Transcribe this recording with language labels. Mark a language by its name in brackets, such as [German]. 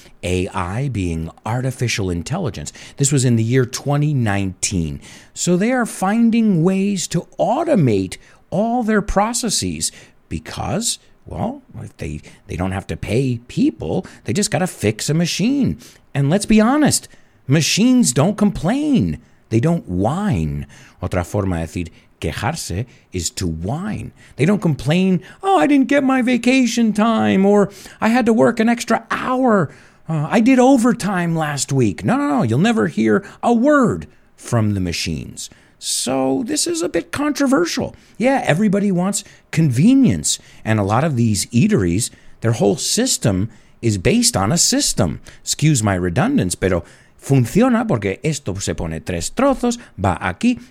[English] AI being artificial intelligence. This was in the year 2019. So they are finding ways to automate all their processes because, well, if they don't have to pay people, they just got to fix a machine. And let's be honest, machines don't complain. They don't whine. [Spanish] Otra forma de decir quejarse [English] is to whine. They don't complain, oh, I didn't get my vacation time, or I had to work an extra hour. I did overtime last week. No. You'll never hear a word from the machines. So this is a bit controversial. Yeah, everybody wants convenience. And a lot of these eateries, their whole system is based on a system. Excuse my redundance, [Spanish] pero funciona porque esto se pone tres trozos, va aquí.